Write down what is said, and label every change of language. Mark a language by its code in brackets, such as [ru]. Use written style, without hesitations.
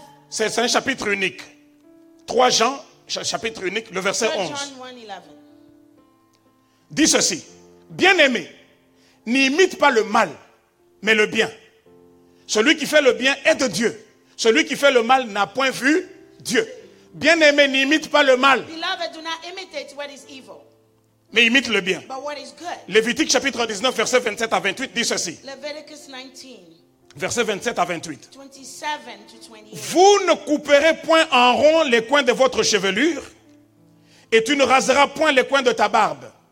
[fr] C'est un chapitre unique. 3 Jean, chapitre unique, le verset 11. Dis ceci, bien-aimé, n'imite pas le mal, mais le bien. Celui qui fait le bien est de Dieu. Celui qui fait le mal n'a point vu Dieu. Bien-aimé, n'imite pas le mal. [en] Beloved, do not imitate what is evil. [fr] Mais imite le bien. [en] But what is good. [fr] Lévitique chapitre 19, verset 27 à 28, dit ceci. [en] Leviticus 19. [fr] Verset 27 à 28. [en] 27 to 28. [fr] Vous ne couperez point en rond les coins de votre chevelure, et tu ne raseras point les coins de ta barbe.